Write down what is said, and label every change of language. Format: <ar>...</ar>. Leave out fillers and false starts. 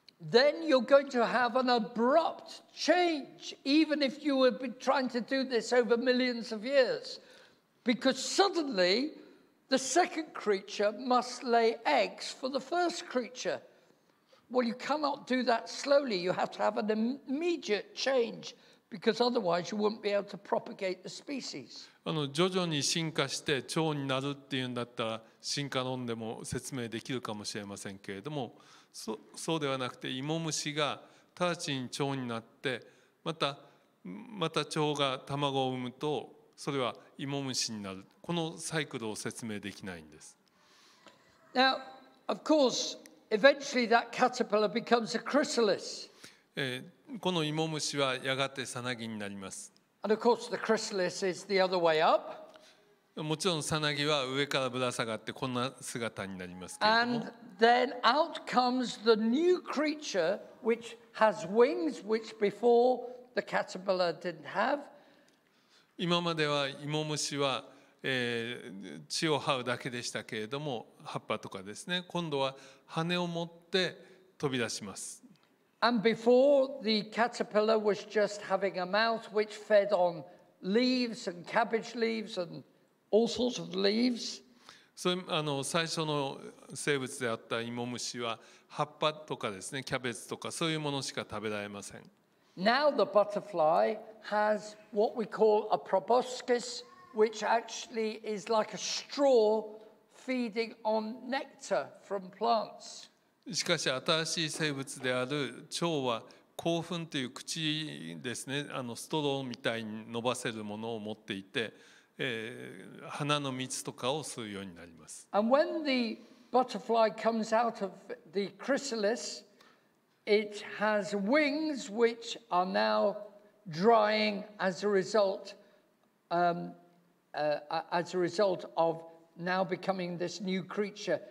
<en>Then you're going to have an abrupt change, even if you would be trying to do this over millions of years. Because suddenly the second creature must lay eggs for the first creature. Well, you cannot do that slowly. You have to have an immediate change because otherwise you wouldn't be able to propagate the species.</en> <ja>徐々に進化して蝶になるっていうんだったら進化論でも説明できるかもしれませんけれども、そうではなくて芋虫が直ちに蝶になって、また蝶が卵を産むと、それは芋虫になる。このサイクルを説明できないんです。</ja> <en>Now, of course, eventually that caterpillar becomes a chrysalis.</en> <ja>この芋虫はやがてサナギになります。</ja> <en>And of course, the chrysalis is the other way up.</en> <ja>もちろんサナギは上からぶら下がってこんな姿になりますけれども。</ja> <en>And then out comes the new creature, which has wings, which before the caterpillar didn't have.</en> <ja>今まではイモムシは、血を這うだけでしたけれども、葉っぱとかですね。今度は羽を持って飛び出します。</ja> <en>And before the caterpillar was just having a mouth which fed on leaves and cabbage leaves and all sorts of leaves.</en> <ja>それ最初の生物であったイモムシは葉っぱとかですね、キャベツとかそういうものしか食べられません。</ja> <en>Now the butterfly has what we call a proboscis, which actually is like a straw feeding on nectar from plants.</en> <ja>しかし新しい生物である蝶は口吻という口ですね、ストローみたいに伸ばせるものを持っていて、花の蜜とかを吸うようになります。</ja> <en>And when the butterfly comes out of the chrysalis,It has wings which are now drying as a result, as a result of now becoming this new creature.</en>